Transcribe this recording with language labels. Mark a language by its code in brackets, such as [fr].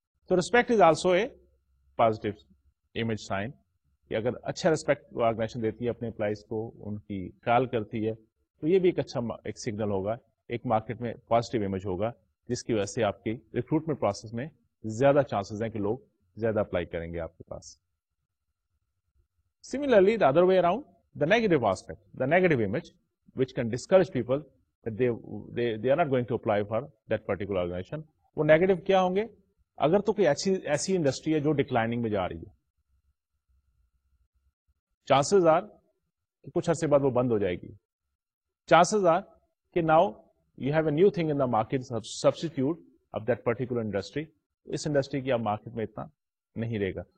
[en] So respect is also a positive image sign. [ur] کہ اگر اچھا respect organization دیتی ہے اپنے employees کو, ان کی خیال کرتی ہے, تو یہ بھی ایک اچھا ایک سگنل ہوگا, ایک مارکیٹ میں پازیٹیو امیج ہوگا, جس کی وجہ سے آپ کی ریکروٹمنٹ پروسیس میں زیادہ چانسز ہیں کہ لوگ زیادہ اپلائی کریں گے آپ کے پاس. [en] Similarly the other way around, the negative aspect, the negative image which can discourage people they are not going to apply for that particular organisation. [ur] وہ نیگیٹو کیا ہوں گے؟ اگر تو کوئی ایسی انڈسٹری ہے جو ڈکلائننگ میں جا رہی ہے, چانسز آر کہ کچھ عرصے بعد وہ بند ہو جائے گی, چانسز آر کہ [en] now you have a new thing in the market substitute of that particular industry, [ur] اس industry کی اب مارکیٹ میں اتنا نہیں رہے گا.